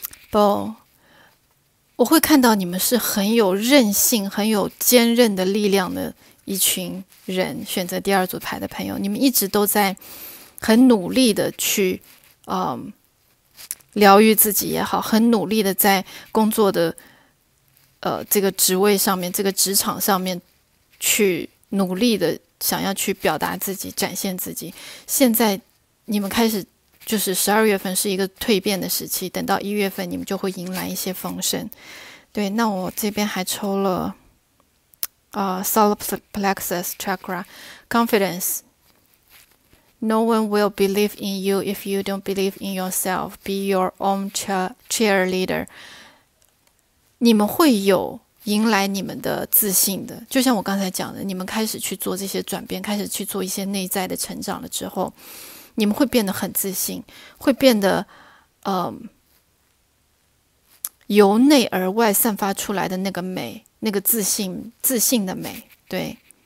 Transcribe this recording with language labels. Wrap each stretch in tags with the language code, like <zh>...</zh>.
<zh>不。我会看到你们是很有韧性、很有坚韧的力量的一群人，选择第二组牌的朋友，你们一直都在很努力的去，疗愈自己也好，很努力的在工作的，这个职位上面、这个职场上面去努力的想要去表达自己、展现自己。现在你们开始。就是12月份是一个蜕变的时期，等到1月份，你们就会迎来一些丰盛。对，那我这边还抽了，</zh> <en>solar plexus chakra confidence。 No one will believe in you if you don't believe in yourself. Be your own cheerleader。</en> <zh>你们会有迎来你们的自信的，就像我刚才讲的，你们开始去做这些转变，开始去做一些内在的成长了之后。你们会变得很自信，会变得，由内而外散发出来的那个美，那个自信的美，对。</zh>